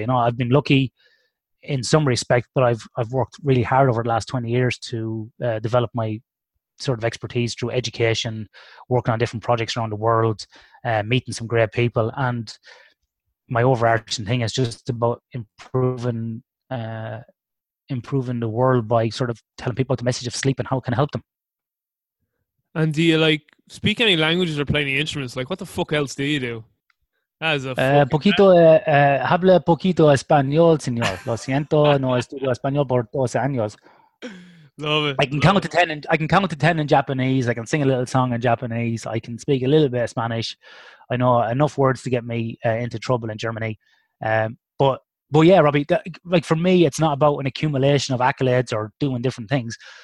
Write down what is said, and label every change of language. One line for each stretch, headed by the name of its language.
English: You know, I've been lucky in some respect, but I've worked really hard over the last 20 years to develop my sort of expertise through education, working on different projects around the world, meeting some great people. And my overarching thing is just about improving the world by sort of telling people the message of sleep and how it can help them. And do you like speak any languages or play any instruments? Like, what the fuck else do you do? As a
Spanish: poquito, habla poquito español, señor. Lo siento, no estudio español por 12 años.
English: Love it. I can count to 10 in Japanese. I can sing a little song in Japanese. I can speak a little bit of Spanish. I know enough words to get me into trouble in Germany. But yeah, Robbie, like for me, it's not about an accumulation of accolades or doing different things.